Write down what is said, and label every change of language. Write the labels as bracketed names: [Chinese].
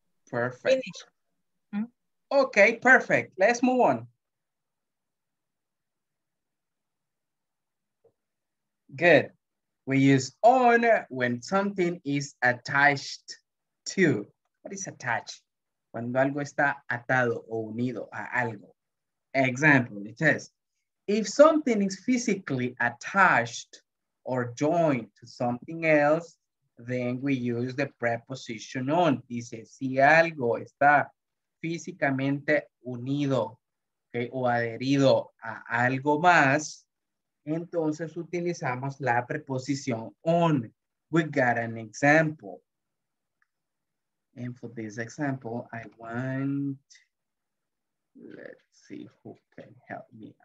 [English] Perfect. Finish. Hmm? Okay, perfect. Let's move on. Good. We use on when something is attached to. What is attached? [Spanish] Cuando algo está atado o unido a algo. [English] Example, it says, if something is physically attached or joined to something else, then we use the preposition on. [Spanish] Dice, si algo está físicamente unido, okay, o adherido a algo más, entonces utilizamos la preposición on. [English] We got an example. And for this example, let's see who can help me.